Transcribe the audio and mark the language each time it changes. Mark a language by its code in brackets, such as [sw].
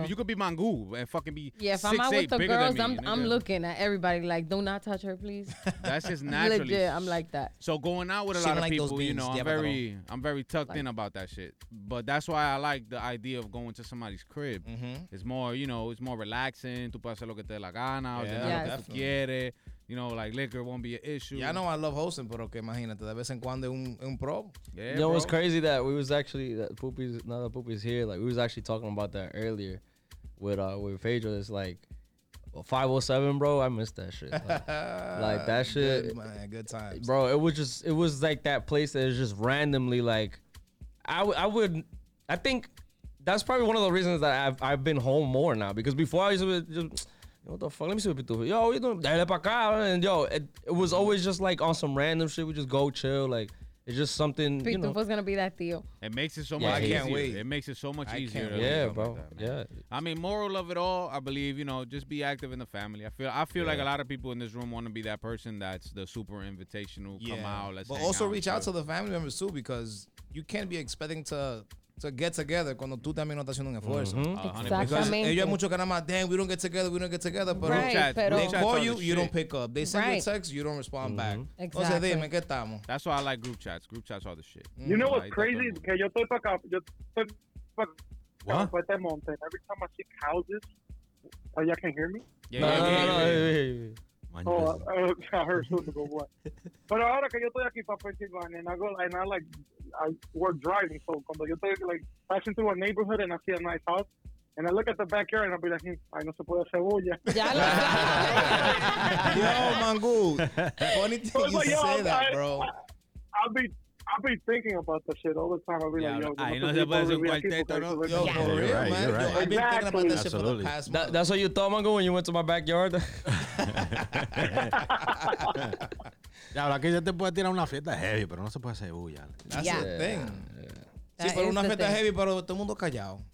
[en] Be. You could be Mangu and fucking be. Yeah, if 6'8", I'm out with the girls, I'm nigga. Looking at everybody. Like, do not touch her, please. That's just naturally. Legit, I'm like that. So going out with a she lot of like people, beans, you know, I'm very tucked like. In about that shit. But that's why I like the idea of going to somebody's crib. Mm-hmm. It's more, you know, it's more relaxing. [es] Tu puedes hacer lo que te la gana. [en] You know, like liquor won't be an issue. Yeah, I know I love hosting, [es] pero que imagínate, de vez en cuando un pro. [en] Yeah, you know, it's crazy that we was actually, Poopy's here, like we was actually talking about that earlier with Phaedra. It's like, 507, bro, I missed that shit. Like that shit. Good, man, good times. Bro, it was like that place that is just randomly like, I think that's probably one of the reasons that I've been home more now because before I used to just, what the fuck? Let me see what people do. Yo, what you doing? [es] Dale pa acá. [en] And yo, it was always just like on some random shit. We just go chill. Like, it's just something. Pitufo's gonna be that tío. It makes it so much easier. I can't wait. It makes it so much easier. Yeah, bro. Like that, yeah. I mean, moral of it all, I believe, you know, just be active in the family. I feel like a lot of people in this room want to be that person that's the super invitational. Yeah. Come out. Let's but also out reach out to the family members too because you can't be expecting to. So get together [es] cuando tú también no estás haciendo un esfuerzo. Mm-hmm. [en] Exactly. [es] Ellos hay mucho que nada más, [en] damn, we don't get together, but right, they call you, you don't pick up. They send you a text, you don't respond back. Exactly. [es] O sea, dime, ¿qué estamos? [en] That's why I like group chats. Group chats are the shit. Mm-hmm. You know what's crazy? [es] Que yo estoy para acá. Yo estoy para acá. [en] What? Every time I see houses, oh, y'all can't hear me? Yeah. Oh, I heard something about what? But [es] ahora que yo estoy aquí para Pennsylvania, [en] and I like... I were driving, so [es] cuando yo estoy [en] like passing through a neighborhood and I see a nice house, and I look at the backyard and I'll be like, [es] ay, no se puede hacer bulla. Ya lo [en] sé. Yo, Mangu, funny thing you like, say that, bro. I'll be thinking about the shit all the time. I'll be like, yo, [es] ay, no se puede hacer un cuarteto, no? [en] Yo, for real, man. You're right. I've been exactly. thinking about that shit for the past month. That's what you thought, Mangu, when you went to my backyard? [es] La verdad que ya te puede tirar una fiesta heavy, pero no se puede hacer bulla. [en] That's the thing. Yeah. [es] Sí, pero una fiesta heavy, pero todo el mundo callado.